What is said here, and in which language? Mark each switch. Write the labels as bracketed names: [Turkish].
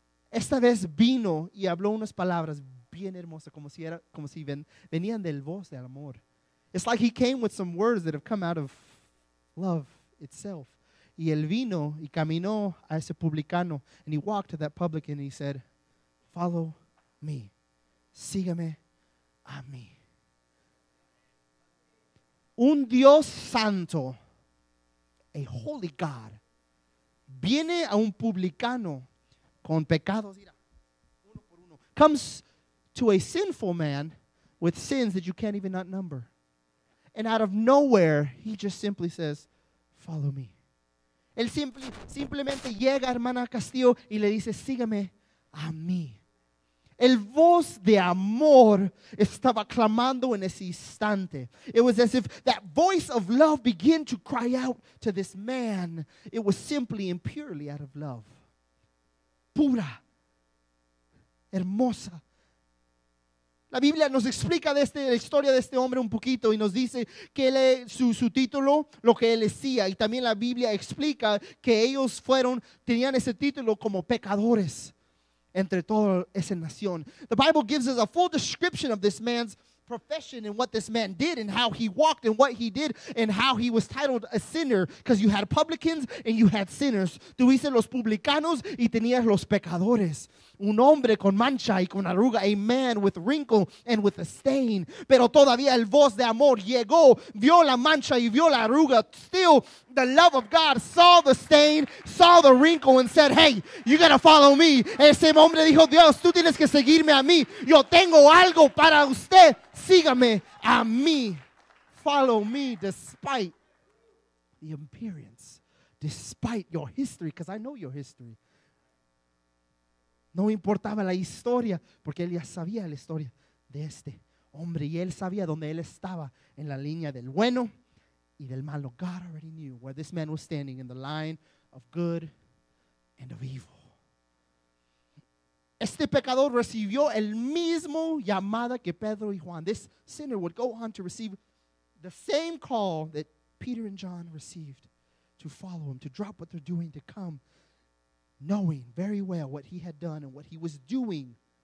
[Spanish] Esta vez vino y habló unas palabras bien hermosas, como si era, como si venían del voz del amor. [English] It's like he came with some words that have come out of love itself. [Spanish] Y él vino y caminó a ese publicano, [English] and he walked to that publican, and he said, follow me, [Spanish] sígame a mí. Un Dios santo, [English] a holy God, [Spanish] viene a un publicano con pecados, uno por uno. [English] Comes to a sinful man with sins that you can't even number. And out of nowhere, he just simply says, follow me. [Spanish] Él simplemente llega a hermana Castillo y le dice, sígame a mí. El voz de amor estaba clamando en ese instante. [English] It was as if that voice of love began to cry out to this man. It was simply and purely out of love. [Spanish] Pura, hermosa. La Biblia nos explica de este, la historia de este hombre un poquito y nos dice que él, su título, lo que él decía. Y también la Biblia explica que ellos fueron, tenían ese título como pecadores entre toda esa nación. [English] The Bible gives us a full description of this man's profession and what this man did and how he walked and what he did and how he was titled a sinner, because you had publicans and you had sinners. [Spanish] Tuviste los publicanos y tenías los pecadores. Un hombre con mancha y con arruga, [English] a man with wrinkle and with a stain. [Spanish] Pero todavía el voz de amor llegó, vio la mancha y vio la arruga. [English] Still, the love of God saw the stain, saw the wrinkle and said, hey, you gotta follow me. [Spanish] Ese hombre dijo, Dios, tú tienes que seguirme a mí. Yo tengo algo para usted. Sígame a mí. [English] Follow me despite the appearance, despite your history, because I know your history. [Spanish] No importaba la historia, porque él ya sabía la historia de este hombre. Y él sabía dónde él estaba, en la línea del bueno y del malo. [English] God already knew where this man was standing, in the line of good and of evil. [Spanish] Este pecador recibió el mismo llamada que Pedro y Juan. [English] This sinner would go on to receive the same call that Peter and John received, to follow him, to drop what they're doing, to come, knowing very well what he had done and what he was doing.